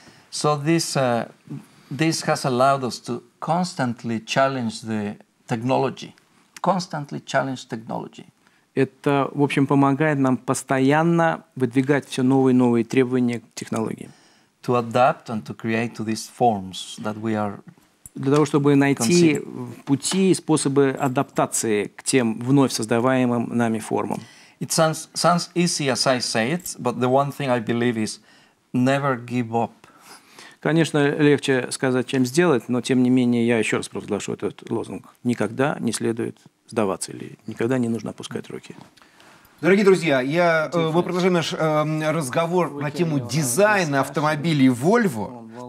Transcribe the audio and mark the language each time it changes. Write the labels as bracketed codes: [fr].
[en] So this has allowed us to constantly challenge the technology. Constantly challenge technology. [ru] Это, в общем, помогает нам постоянно выдвигать все новые и новые требования к технологии. [en] To adapt and to create to these forms that we are. [ru] Для того, чтобы найти пути и способы адаптации к тем вновь создаваемым нами формам. [en] It sounds easy as I say it, but the one thing I believe is never give up. [ru] Конечно, легче сказать, чем сделать, но тем не менее я еще раз провозглашу этот лозунг: никогда не следует сдаваться или никогда не нужно опускать руки. Дорогие друзья, мы продолжаем наш разговор на тему дизайна автомобилей Volvo.